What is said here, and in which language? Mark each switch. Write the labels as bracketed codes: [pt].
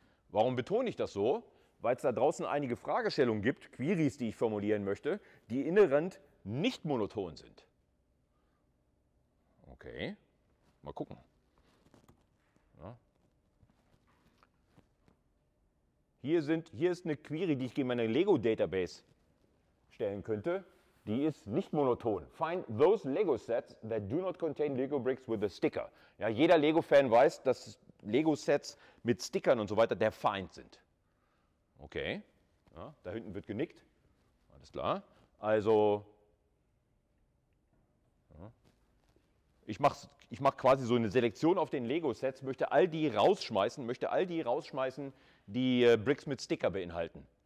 [de] Warum betone ich das so? Weil es da draußen einige Fragestellungen gibt, Queries, die ich formulieren möchte, die inhärent nicht monoton sind. Okay, mal gucken. Ja. Hier ist eine Query, die ich gegen meine Lego-Database stellen könnte. Die ist nicht monoton. [en] Find those Lego-Sets that do not contain Lego-Bricks with a sticker. [de] Ja, jeder Lego-Fan weiß, dass Lego-Sets mit Stickern und so weiter der Feind sind. Okay, ja, da hinten wird genickt. Alles klar. Also, ich mach quasi so eine Selektion auf den Lego-Sets, möchte all die rausschmeißen, die Bricks mit Sticker beinhalten.